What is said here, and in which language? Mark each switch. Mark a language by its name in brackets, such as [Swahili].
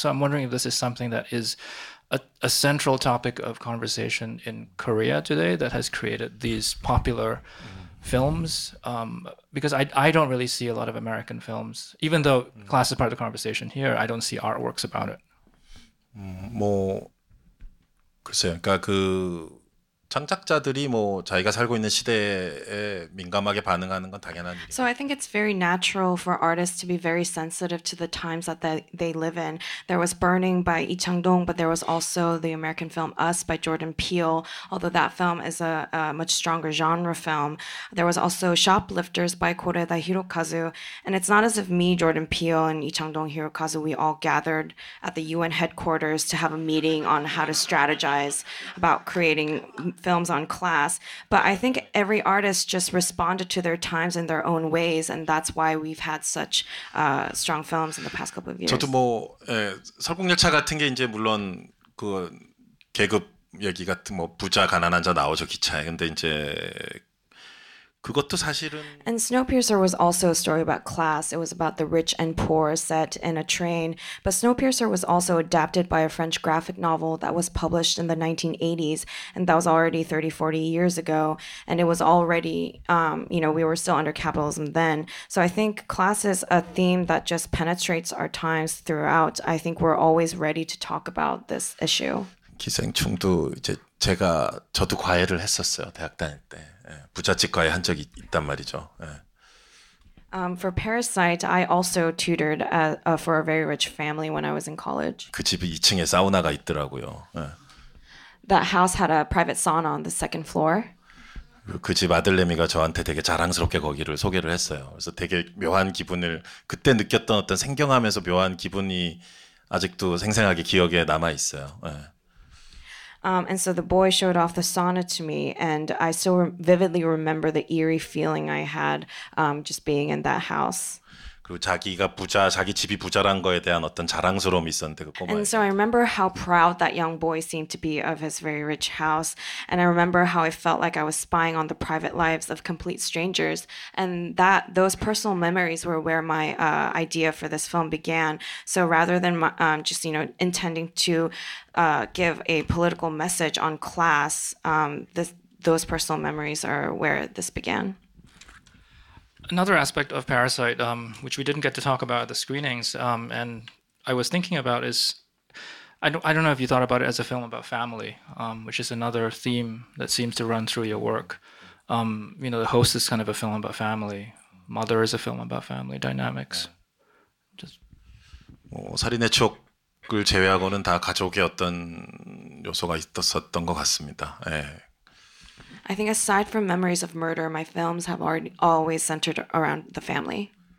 [English] So I'm wondering if this is something that is a central topic of conversation in Korea today that has created these popular films, because I don't really see a lot of American films, even though class is part of the conversation here. I don't see artworks about it. [Korean] 뭐 글쎄요. 그러니까 그 창작자들이 뭐 자기가 살고 있는 시대에 민감하게 반응하는 건 당연한 일이에요. [English] So I think it's very natural for artists to be very sensitive to the times that they live in. There was Burning by Lee Chang-dong, but there was also the American film Us by Jordan Peele, although that film is a much stronger genre film. There was also Shoplifters by Koreeda Hirokazu, and it's not as if me, Jordan Peele, and Lee Chang-dong, Hirokazu, we all gathered at the UN headquarters to have a meeting on how to strategize about creating films on class, but I think every artist just responded to their times in their own ways, and that's why we've had such strong films in the past couple of years. [Korean] 저도 뭐 설국열차 같은 게 이제 물론 그 계급 얘기 같은 뭐 부자 가난한 자 나오죠 기차에 근데 이제 그것도 사실은 [English] And Snowpiercer was also a story about class. It was about the rich and poor set in a train. But Snowpiercer was also adapted by a French graphic novel that was published in the 1980s, and that was already 30-40 years ago, and it was already you know, we were still under capitalism then. So I think class is a theme that just penetrates our times throughout. I think we're always ready to talk about this issue. [Korean] 기생충도 이제 제가 저도 과외를 했었어요 대학 다닐 때 예, 부잣집 과외 한 적이 있단 말이죠. 예. [English] For Parasite, I also tutored for a very rich family when I was in college. [Korean] 그 집이 2층에 사우나가 있더라고요. 예. [English] That house had a private sauna on the second floor. [Korean] 그 집 아들내미가 저한테 되게 자랑스럽게 거기를 소개를 했어요. 그래서 되게 묘한 기분을 그때 느꼈던 어떤 생경하면서 묘한 기분이 아직도 생생하게 기억에 남아 있어요. 예. [English] And so the boy showed off the sauna to me, and I still vividly remember the eerie feeling I had just being in that house. [Korean] 그리고 자기가 부자, 자기 집이 부자란 거에 대한 어떤 자랑스러움이 있었는데 그 꼬마. [English] And so I remember how proud that young boy seemed to be of his very rich house, and I remember how I felt like I was spying on the private lives of complete strangers, and that those personal memories were where my idea for this film began. So rather than my, just you know intending to give a political message on class, those personal memories are where this began. Another aspect of Parasite, which we didn't get to talk about at the screenings, and I was thinking about is, I don't know if you thought about it as a film about family, which is another theme that seems to run through your work. You know, The Host is kind of a film about family. Mother is a film about family dynamics. Just... [Korean] 뭐, 살인의 추억을 제외하고는 다 가족의 어떤 요소가 있었던 것 같습니다. 예. [English] I think aside from memories of murder, my films have already always centered around the family.